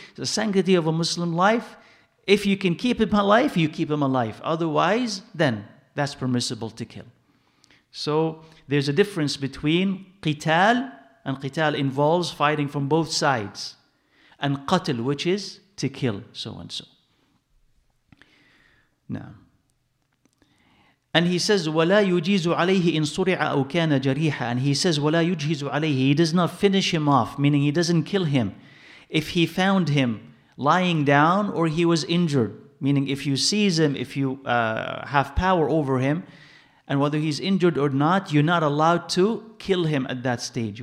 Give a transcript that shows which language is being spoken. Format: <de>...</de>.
<en>The sanctity of a Muslim life, if you can keep him alive, you keep him alive. Otherwise, then that's permissible to kill. So there's a difference between qital, and qital involves fighting from both sides, and qatil, which is to kill, so and so. Now, and he says,</en> <ar>وَلَا يُجِيزُ عَلَيْهِ إِن صُرِعَ أَوْ كَانَ جَرِيحًا.</ar> <en>And he says,</en> <ar>وَلَا يُجْهِزُ عَلَيْهِ.</ar> <en>He does not finish him off, meaning he doesn't kill him. If he found him lying down or he was injured, meaning if you seize him, if you have power over him, and whether he's injured or not, you're not allowed to kill him at that stage.</en>